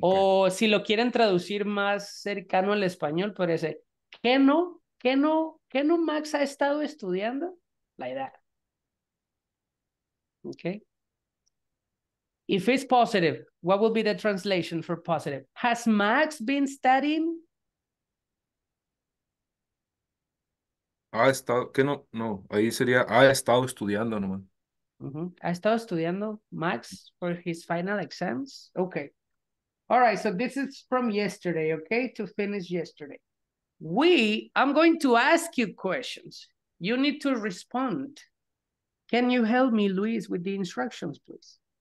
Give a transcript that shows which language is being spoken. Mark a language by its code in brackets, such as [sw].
[es] O si lo quieren traducir más cercano al español, parece, ¿qué no Max ha estado estudiando? [en] Like that. Okay. If it's positive, what will be the translation for positive? Has Max been studying? [es] Ha estado, que no, no, ahí sería, ha estado estudiando nomás. [en] Mm-hmm. [es] Ha estado estudiando [en] Max for his final exams? Okay. All right, so this is from yesterday, okay? To finish yesterday. I'm going to ask you questions. You need to respond. Can you help me, Luis, with the instructions, please?